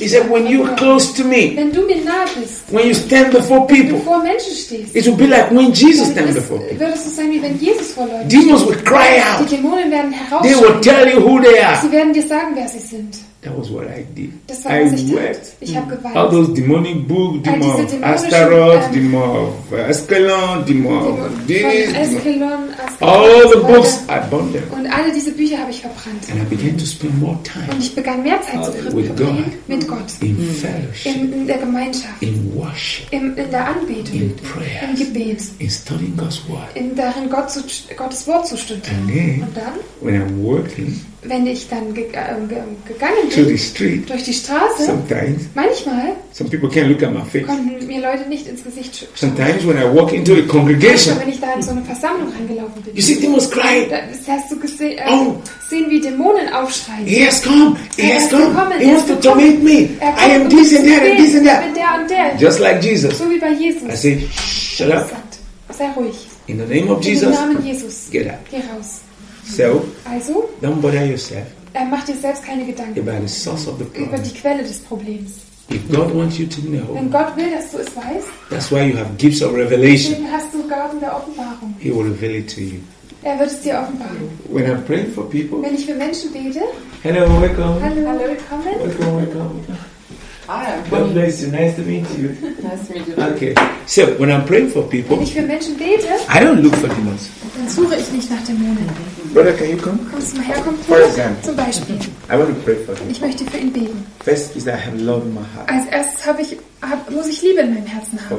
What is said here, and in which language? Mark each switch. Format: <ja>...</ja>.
<en>He said, when you are close to me,</en> <de>wenn du mir nah bist,</de> <en>when you stand before people,</en> <de>wenn du vor Menschen stehst,</de> <en>it will be like when Jesus stand before people.</en> <de>Wird es so sein, wie wenn Jesus vor Leuten steht.</de> <en>Demons will cry out.</en> <de>Die Dämonen werden herausschreien.</de> <en>They will tell you who they are.</en> <de>Sie werden dir sagen, wer sie sind.</de> <en>That was what I did.</en> <de>Das war, was ich tat. Ich habe geweint.</de> <en>All those demonic books, demon of Astaroth, demon of Ascalon, demon of this, Ascalon, Ascalon, all the books I burned them.</en> <de>Und alle diese Bücher habe ich verbrannt.</de> <en>And I began to spend more time,</en> <de>und ich begann mehr Zeit zu verbringen mit Gott.</de> <en>In fellowship,</en> <de>in der Gemeinschaft.</de> <en>In worship,</en> <de>in der Anbetung.</de> <en>In prayers,</en> <de>im Gebet.</de> <en>In studying God's word,</en> <de>in darin Gott zu, Gottes Wort zu studieren.</de> <en>And then,</en> <de>und dann,</de> <en>when I'm working,</en> <de>wenn ich dann gegangen bin</de> <en>to the street,</en> <de>durch die Straße,</de> <en>sometimes,</en> <de>manchmal</de> <en>some people can't look at my face,</en> <de>konnten mir Leute nicht ins Gesicht schauen.</de> <en>Sometimes when I walk into a congregation,</en> <de>wenn ich da in so eine Versammlung reingelaufen bin,</de> <en>you see demons crying.</en> <de>Da hast du gesehen, sehen wie Dämonen aufschreien.</de> <en>He has come. He wants to torment me.</en> <de>Kommt,</de> <en>I am this and that and this and that.</en> <de>Der und der.</de> <en>Just like Jesus.</en> <de>So wie bei Jesus.</de> <en>I say, shh. Shut up.</en> <de>Sei ruhig.</de> <en>In the name of Jesus.</en> <de>Im Namen Jesus.</de> <en>Get up.</en> <de>Geh raus.</de> <en>So.</en> <de>Also.</de> <en>Don't bother yourself.</en> <de>Mach dir selbst keine Gedanken.</de> <en>About the source of the problem.</en> <de>Über die Quelle des Problems.</de> <en>If God wants you to know.</en> <de>Wenn Gott will, dass du es weißt.</de> <en>That's why you have gifts of revelation.</en> <de>Deswegen hast du Gaben der Offenbarung.</de> <en>He will reveal it to you.</en> <de>Wird es dir offenbaren.</de> <en>When I'm praying for people.</en> <de>Wenn ich für Menschen bete.</de> <en>Hello, welcome.</en> <de>Hallo, willkommen.</de> <en>Welcome, welcome. Hi, God bless you. Nice to meet you. Nice to meet you. Okay. So, when I'm praying for people,</en> <de>wenn ich für Menschen bete,</de> <en>I don't look for demons.</en> <de>Dann suche ich nicht nach Dämonen.</de> <en>Brother, can you come?</en> <de>Kommst du mal her, komm.</de> <en>For example.</en> <de>Zum Beispiel.</de> <en>I want to pray for him.</en> <de>Ich möchte für ihn beten.</de> <en>First is that I have love in my heart.</en> <de>Als erstes muss ich Liebe in meinem Herzen haben.</de>